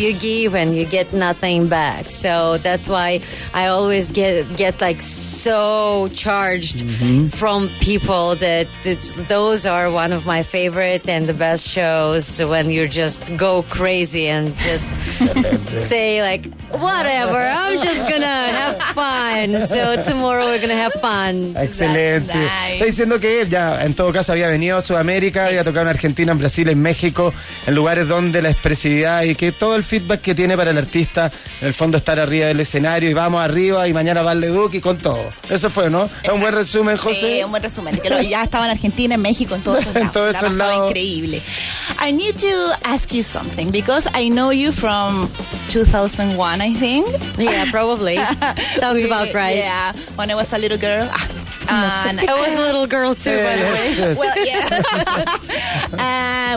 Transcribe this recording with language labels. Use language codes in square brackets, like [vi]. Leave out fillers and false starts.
[en] If you give and you get nothing back. So that's why I always get like so charged mm-hmm. from people that those are one of my favorite and the best shows when you just go crazy and just say like, whatever, I'm just gonna have fun. So tomorrow we're gonna have fun. Excelente. That's nice. [es] Está diciendo que ya en todo caso había venido a Sudamérica, había tocado en Argentina, en Brasil, en México, en lugares donde la expresividad y que todo el feedback que tiene para el artista, en el fondo estar arriba del escenario y vamos arriba y mañana va Le Duc y con todo. Eso fue, ¿no? Exacto. Un buen resumen, José. Sí, un buen resumen. Ya estaba en Argentina, en México, en todos esos lados. En todos esos lados. Increíble. [en] I need to ask you something because I know you from 2001, I think. Yeah, probably. Sounds about right. Yeah, when I was a little girl. I was a little girl too, by the way. Yes. Well, yeah.